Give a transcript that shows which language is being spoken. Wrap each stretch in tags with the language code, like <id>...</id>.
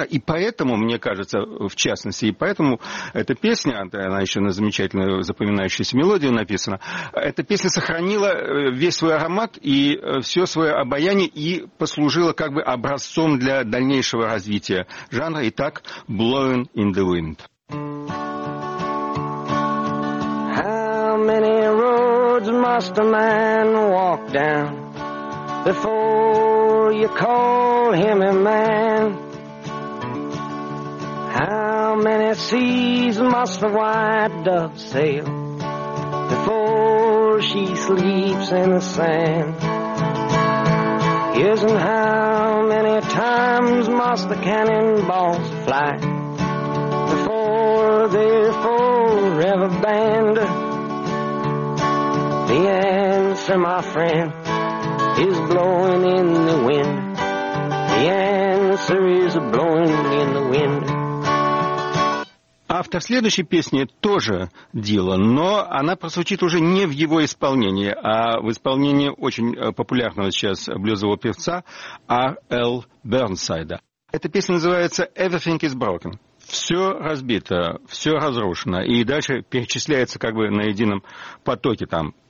<ru>И поэтому, мне кажется, в частности, и поэтому эта песня, она еще на замечательную запоминающуюся мелодию написана, эта песня сохранила весь свой аромат и все свое обаяние и послужила как бы образцом для дальнейшего развития жанра. Итак, «Blowing in the Wind».</ru> <en>How many roads must a man walk down before you call him a man? How many seas must the white dove sail before she sleeps in the sand? Isn't how many times must the cannonballs fly before they're forever banned? The answer, my friend, is blowing in the wind. The answer is blowing in the wind.</en> <ru>Автор следующей песни тоже Дилан, но она прозвучит уже не в его исполнении, а в исполнении очень популярного сейчас блюзового певца Р.Л. Бернсайда. Эта песня называется «Everything is broken». Все разбито, все разрушено, и дальше перечисляется как бы на едином потоке там.</ru>